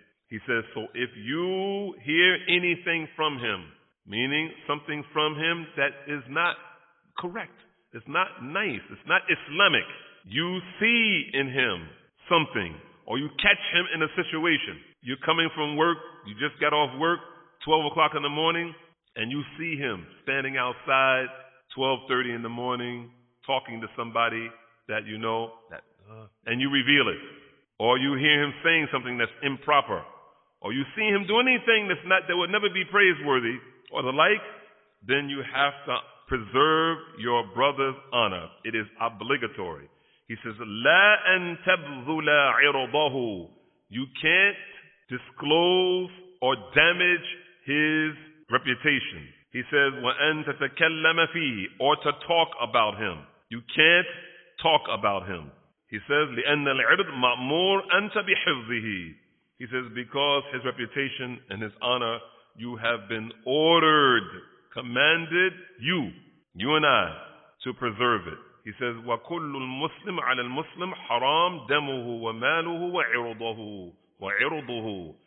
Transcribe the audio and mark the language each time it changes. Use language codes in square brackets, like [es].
[en] He says, so if you hear anything from him, meaning something from him that is not correct, it's not nice, it's not Islamic, you see in him something, or you catch him in a situation, you're coming from work, you just got off work, 12 o'clock in the morning, and you see him standing outside, 12:30 in the morning, talking to somebody that you know, that, and you reveal it. Or you hear him saying something that's improper. Or you see him do anything that would never be praiseworthy or the like. Then you have to preserve your brother's honor. It is obligatory. He says, [ar] لا أن تبذل عرضه. [en] You can't disclose or damage his reputation. He says, [ar] وأن تتكلم فيه. [en] Or to talk about him. You can't talk about him. He says, [ar] لِأَنَّ الْعِرْضِ مَأْمُورْ أَنْتَ بِحِفْظِهِ. [en] He says, because his reputation and his honor, you have been ordered, commanded, you and I, to preserve it. He says, [ar] وَكُلُّ الْمُسْلِمْ عَلَى الْمُسْلِمْ حَرَامْ دَمُهُ وَمَالُهُ وَعِرُضُهُ.